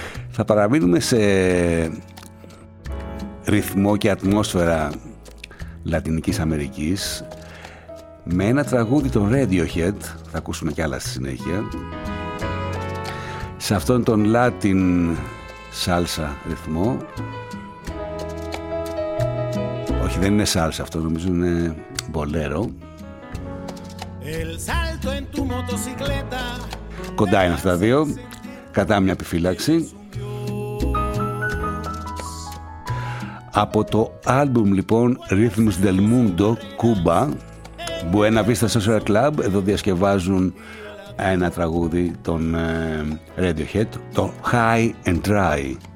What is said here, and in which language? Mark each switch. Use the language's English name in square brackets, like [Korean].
[Greek] Θα παραμείνουμε σε ρυθμό και ατμόσφαιρα Λατινικής Αμερικής με ένα τραγούδι των Radiohead, θα ακούσουμε κι άλλα στη συνέχεια, σε αυτόν τον Latin salsa ρυθμό. Όχι, δεν είναι salsa αυτό, νομίζω είναι bolero. [Spanish] El salto en tu motocicleta. [Greek] Κοντά είναι αυτά τα δύο, κατά μια επιφύλαξη. Από το άλμπουμ λοιπόν Rhythms del Mundo, Cuba, Buena Vista Social Club, εδώ διασκευάζουν ένα τραγούδι των Radiohead, το High and Dry.